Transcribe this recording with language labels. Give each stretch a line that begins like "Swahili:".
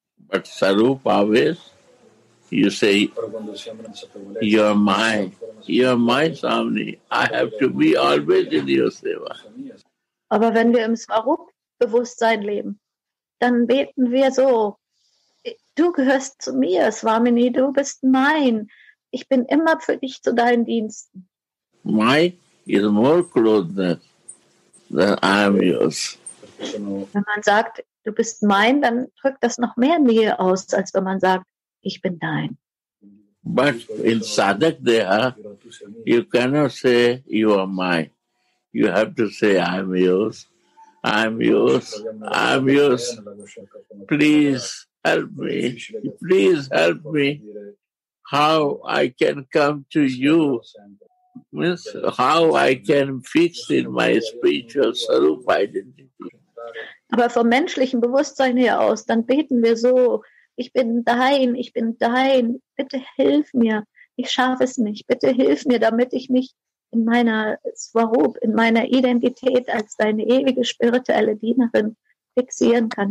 English: But Sarup always, you say, you're my Swami. I have to be always in your seva.
German: Aber wenn wir im Swarup-Bewusstsein leben, dann beten wir so, du gehörst zu mir, Swamini, du bist mein. Ich bin immer für dich zu deinen Diensten.
English: My is more closeness than I am yours.
German: Wenn man sagt, du bist mein, dann drückt das noch mehr Nähe aus, als wenn man sagt, ich bin dein.
English: But in Sadak Deha, you cannot say you are mine. You have to say, I'm yours, I'm yours, I'm yours. Please help me, please help me. How I can come to you, means how I can fix in my spiritual sarup identity.
German: Aber vom menschlichen Bewusstsein her aus, dann beten wir so, ich bin dein, bitte hilf mir, ich schaffe es nicht, bitte hilf mir, damit ich mich in meiner Swarup, in meiner Identität als deine ewige spirituelle Dienerin fixieren kann.